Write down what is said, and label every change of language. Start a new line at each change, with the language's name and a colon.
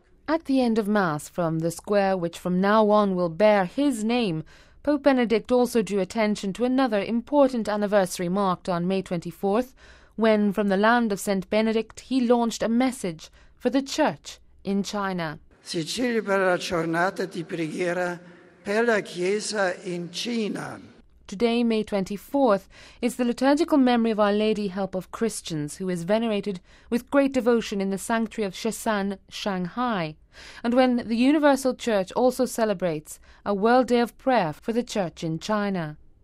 English: At the end of Mass from the square which from now on will bear his name, Pope Benedict also drew attention to another important anniversary marked on May 24th, when from the land of Saint Benedict he launched a message for the Church in China.
Italian: Si celebra la giornata di preghiera per la Chiesa in Cina.
English: Today, May 24th, is the liturgical memory of Our Lady Help of Christians, who is venerated with great devotion in the sanctuary of Shesan, Shanghai, and when the Universal Church also celebrates a World Day of Prayer for the Church in China.